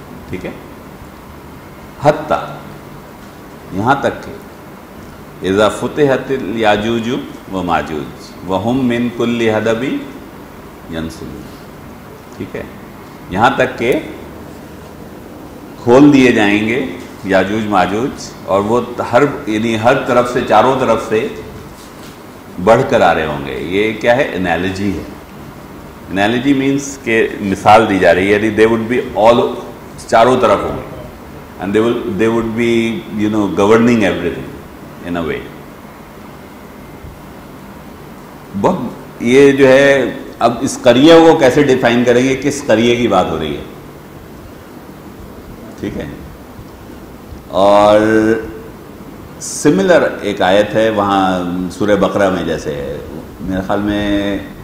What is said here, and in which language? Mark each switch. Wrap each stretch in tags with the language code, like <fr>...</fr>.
<ur>ٹھیک ہے, حتیٰ یہاں تک کہ</ur> <ar>اذا فتحت الیاجوج وماجوج وہم من کل حدب ینسلون.</ar> <ur>ٹھیک ہے, یہاں تک کہ کھول دیے جائیں گے یاجوج ماجوج اور وہ ہر یعنی ہر طرف سے چاروں طرف سے بڑھ کر آ رہے ہوں گے. یہ کیا ہے, انالوجی ہے. انالوجی مینس کہ مثال دی جا رہی ہے, یعنی</ur> <en>they would be all</en> <ur>چاروں طرف ہوں گے</ur> <en>And they would be you know governing everything in a way.</en> <ur>بہت یہ جو ہے, اب اس قریے کو کیسے ڈیفائن کریں گے, کس قریے کی بات ہو رہی ہے؟ ٹھیک ہے, اور سملر ایک آیت ہے وہاں سورہ بقرہ میں, جیسے میرے خیال میں</ur>